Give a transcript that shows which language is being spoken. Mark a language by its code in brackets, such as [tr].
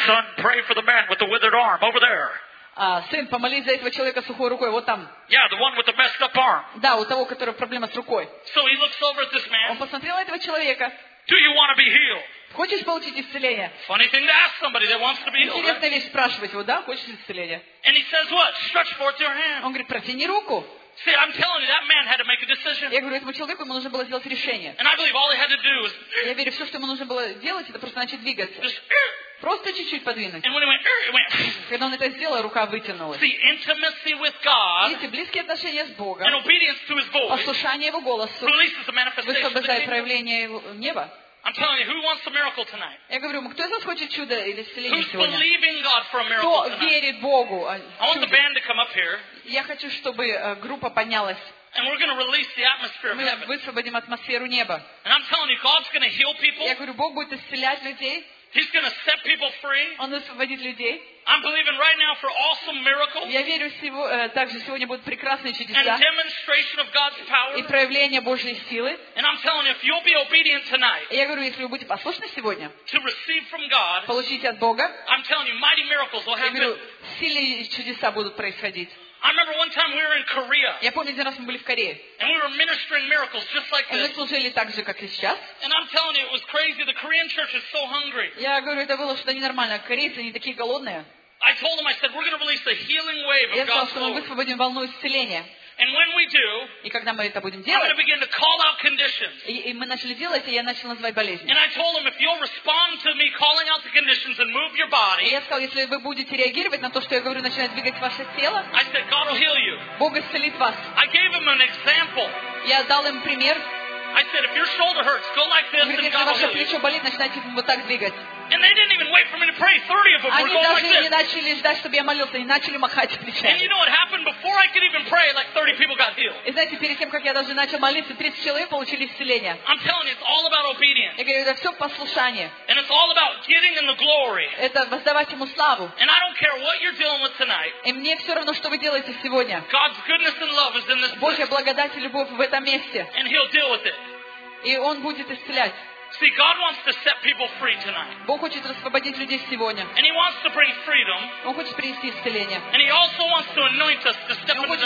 [en] Son, pray for the man with the withered arm over there. [ru] Сын, помолись за этого человека с сухой рукой, вот там. [en] Yeah, the one with the messed up arm. [ru] Да, у того, у которого проблема с рукой. [en] So he looks over at this man. [ru] Он посмотрел на этого человека. [en] Do you want to be healed? [ru] Хочешь получить исцеление? [en] Funny thing to ask somebody that wants to be healed. [ru] Интересная вещь спрашивать его, да, хочешь исцеление? [en] And he says what? Stretch forth your hand. [ru] Он говорит, протяни руку. [en] See, I'm telling you, that man had to make a decision. [ru] Я говорю, этому человеку ему нужно было сделать решение. [en] And I believe all he had to do was. [ru] Я верю, все, что ему нужно было делать, это просто начать двигаться. Просто чуть-чуть подвинуть. [en] And when he went, it went. [ru] Когда он это сделал, рука вытянулась. [en] See, intimacy with God. [ru] Видите, близкие отношения с Богом. [en] And obedience to His voice. [ru] Послушание Его голосу. [en] Releases the manifestation. [ru] Высвобождает проявление неба. [en] I'm telling you, who wants a miracle tonight? [ru] Я говорю, кто из вас хочет чудо или исцеление сегодня? [en] Who's believing God for a miracle tonight? [ru] Кто верит Богу? [en] I want the band to come up here. [ru] Я хочу, чтобы группа поднялась. [en] And we're going to release the atmosphere of heaven. [ru] Мы высвободим атмосферу неба. [en] And I'm telling you, God's going to heal people. [ru] Я говорю, Бог будет исцелять людей. [en] He's going to set people free. [ru] Он освободит людей. [en] I'm believing right now for awesome miracles. [ru] Я верю, также сегодня будут прекрасные чудеса. [en] And demonstration of God's power. [ru] И проявление Божьей силы. [en] And I'm telling you, if you'll be obedient tonight. [ru] Я говорю, если вы будете послушны сегодня. [en] To receive from God. [ru] Получить от Бога. [en] I'm telling you, mighty miracles will happen. [ru] Я говорю, сильные чудеса будут происходить. [en] I remember one time we were in Korea. [ru] Я помню, один раз мы были в Корее. [en] And we were ministering miracles just like this. [ru] И мы служили так же, как и сейчас. [en] And I'm telling you, it was crazy. The Korean church is so hungry. [ru] Я говорю, это было что-то ненормальное. Корейцы, они такие голодные. [en] I told them, I said, we're going to release a healing wave of God's glory. [ru] Я сказал, что мы высвободим волну исцеления. [en] And when we do, [ru] и когда мы это будем делать, [en] I'm going to begin to call out conditions. [ru] И мы начали делать, и я начал называть болезни. [en] And I told them, if you'll respond to me calling out the conditions and move your body, [ru] и я сказал, если вы будете реагировать на то, что я говорю, начинать двигать ваше тело, [en] I said, God will heal you. [ru] Бог исцелит вас. [en] I gave them an example. [ru] Я дал им пример. [en] I said, if your shoulder hurts, go like this, [ru] говорит, [en] and God will heal you. [ru] Если ваше плечо болит, начинайте вот так двигать. [en] And they didn't even wait for me to pray. 30 of them were going like this. [ru] Они даже не начали ждать, чтобы я молился, они начали махать плечами. [en] And you know what happened before I could even pray? Like 30 people got healed. [ru] И знаете, перед тем, как я даже начал молиться, 30 человек получили исцеление. [en] I'm telling you, it's all about obedience. [ru] Я говорю, это все послушание. [en] And it's all about getting in the glory. [ru] Это воздавать ему славу. [en] And I don't care what you're dealing with tonight. [ru] И мне все равно, что вы делаете сегодня. [en] God's goodness and love is in this place. [ru] Божья благодать и любовь в этом месте. [en] And He'll deal with it. [ru] И Он будет исцелять. [en] See, God wants to set people free tonight. [ru] Бог хочет освободить людей сегодня. [en] And He wants to bring freedom. [ru] Он хочет принести исцеление. [en] And He also wants to anoint us to step into the next level.